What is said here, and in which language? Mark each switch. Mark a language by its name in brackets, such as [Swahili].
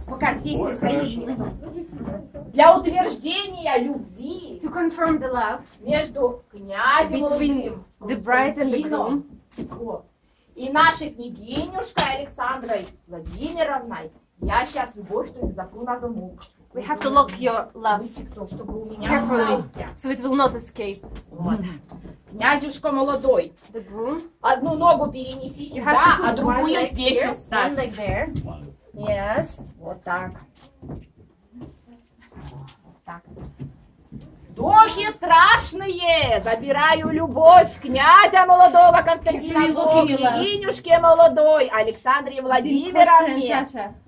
[Russian] Пока здесь ты стоишь. Для утверждения любви. [English] To confirm the love. [Russian] Между князем Владимиром. [English] The bride and the groom. [Russian] И нашей княгинюшкой Александрой Владимировной. Я сейчас любовь твою закрою на замок. [English] We have to lock your love carefully, so it will not escape. [Russian] Князюшко молодой. [English] The groom. [Russian] Одну ногу перенеси сюда, а другую здесь оставь. [English] One leg there. Yes. [Russian] Вот так. Так. Духи страшные, забираю любовь князя молодого Константинова, Инюшке молодой, Александре Владимировне.